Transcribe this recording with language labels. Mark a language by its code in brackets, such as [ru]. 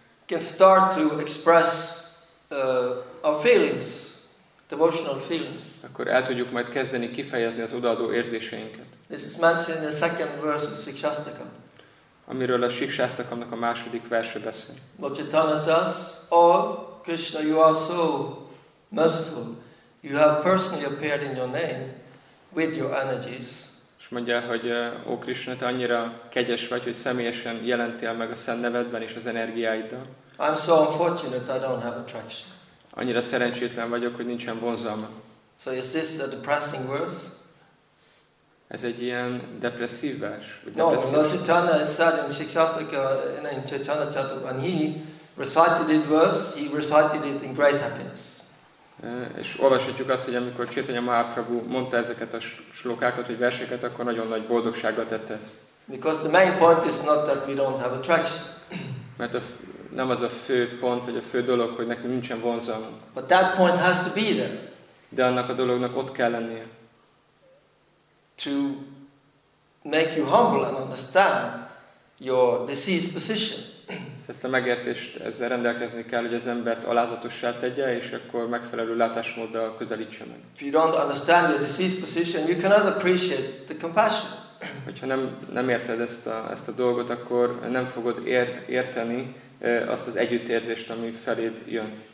[en] Can start to express our feelings, devotional feelings. [hu] Akkor el tudjuk majd kezdeni kifejezni az odaadó érzéseinket. [en] This is mentioned in the second verse of Sikshastakam. [hu] Amiről a Sikshastakamnak a második verse beszél. [en] Lord Chaitanya says, oh Krishna, you are so merciful. You have personally appeared in your name with your energies. [hu] És mondja, hogy ó Krishna, te annyira kegyes vagy, hogy személyesen jelentél meg a szent nevedben és az energiáiddal. [en] I'm so unfortunate I don't have attraction. [hu] Annyira szerencsétlen vagyok, hogy nincsen vonzalma. [en] So is this a depressing verse? [hu] Ez egy ilyen depresszív vers? [en] No, Lord Chaitanya said in Sikshastaka, in Chaitanya Chatu, when he recited it verse, he recited it in great happiness. [hu] És olvashatjuk azt, hogy amikor Chaitanya Mahaprabhu mondta ezeket a slokákat, vagy verseket, akkor nagyon nagy boldogsággal tette ezt. [en] Because the main point is not that we don't have attraction. [hu] Mert nem az a fő pont, vagy a fő dolog, hogy nekünk nincsen vonzalmunk. [en] But that point has to be there. [hu] De annak a dolognak ott kell lennie. [en] To make you humble and understand your deceased position. [hu] Ezt a megértést, ezzel rendelkezni kell, hogy az embert alázatossá tegye, és akkor megfelelő látásmóddal közelítse meg. [en] If you don't understand your deceased position, you cannot appreciate the compassion. [hu] hogyha nem érted ezt a dolgot, akkor nem fogod érteni azt az együttérzést, ami feléd jön.